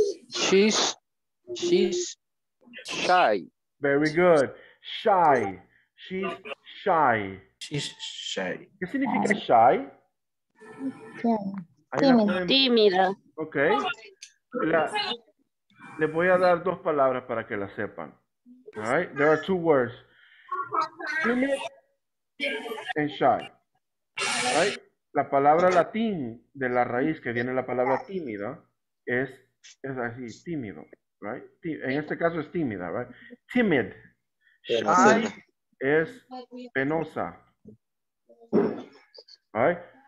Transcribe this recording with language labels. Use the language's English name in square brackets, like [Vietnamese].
[English] She's shy. Very good. Shy. She's shy. She's shy. [Spanish] ¿Qué significa shy? Tímida. [English] Okay. [Spanish] Les voy a dar dos palabras para que la sepan. [English] All right, there are two words, timid and shy. [Spanish] All right, la palabra latín de la raíz que viene la palabra tímida es así, tímido, right? En este caso es tímida, right? Timid, shy es penosa. All right,